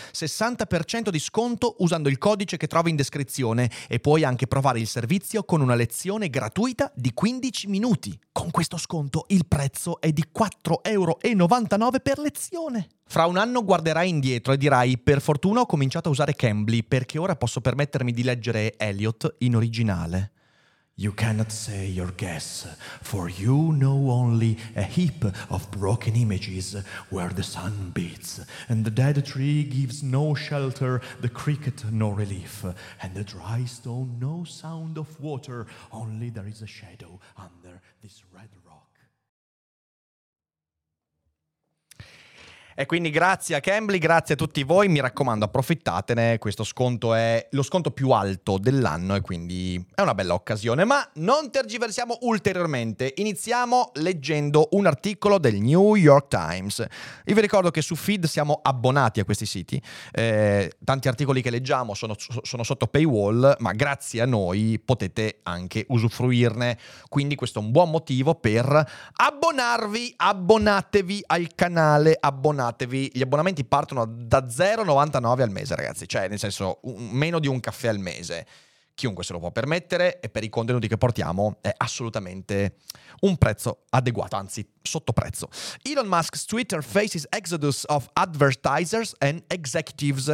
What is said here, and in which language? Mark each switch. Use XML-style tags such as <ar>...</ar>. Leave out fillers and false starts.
<it>60% di sconto usando il codice che trovi in descrizione e puoi anche provare il servizio con una lezione gratuita di 15 minuti. Con questo sconto il prezzo è di 4,99€ per lezione. Fra un anno guarderai indietro e dirai: per fortuna ho cominciato a usare Cambly perché ora posso permettermi di leggere Eliot in originale.</it> <en>You cannot say your guess, for you know only a heap of broken images where the sun beats, and the dead tree gives no shelter, the cricket no relief, and the dry stone no sound of water, only there is a shadow under this red rock.</en> <it>E quindi grazie a Cambly, grazie a tutti voi, mi raccomando approfittatene, questo sconto è lo sconto più alto dell'anno e quindi è una bella occasione. Ma non tergiversiamo ulteriormente, iniziamo leggendo un articolo del New York Times. Io vi ricordo che su Feed siamo abbonati a questi siti, tanti articoli che leggiamo sono sotto paywall, ma grazie a noi potete anche usufruirne, quindi questo è un buon motivo per abbonarvi, abbonatevi al canale, abbonatevi. Gli abbonamenti partono da 0,99 al mese, ragazzi, cioè nel senso meno di un caffè al mese. Chiunque se lo può permettere e per i contenuti che portiamo è assolutamente un prezzo adeguato, anzi sottoprezzo.</it> <en>Elon Musk's Twitter faces exodus of advertisers and executives.</en>